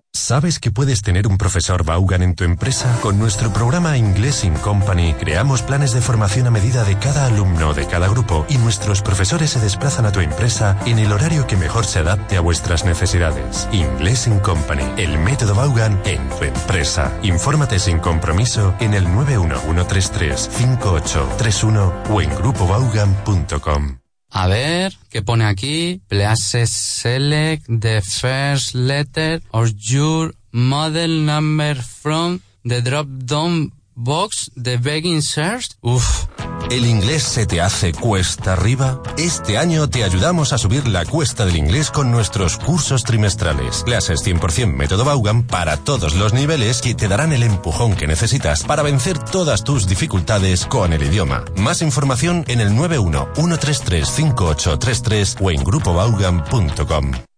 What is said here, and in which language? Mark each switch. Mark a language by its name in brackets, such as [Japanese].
[Spanish] ¿Sabes que puedes tener un profesor Vaughan en tu empresa? Con nuestro programa Inglés in Company creamos planes de formación a medida de cada alumno, de cada grupo, y nuestros profesores se desplazan a tu empresa en el horario que mejor se adapte a vuestras necesidades. Inglés in Company, el método Vaughan en tu empresa. Infórmate sin compromiso en el 91133-5831 o en grupovaughan.com. A ver, ¿qué pone aquí? [English] Please select the first letter of your model number from the drop-down box, the begin search. Uf. [Spanish] ¿El inglés se te hace cuesta arriba? Este año te ayudamos a subir la cuesta del inglés con nuestros cursos trimestrales. Clases 100% método Vaughan para todos los niveles que te darán el empujón que necesitas para vencer todas tus dificultades con el idioma. Más información en el 91-133-5833 o en grupovaughan.com.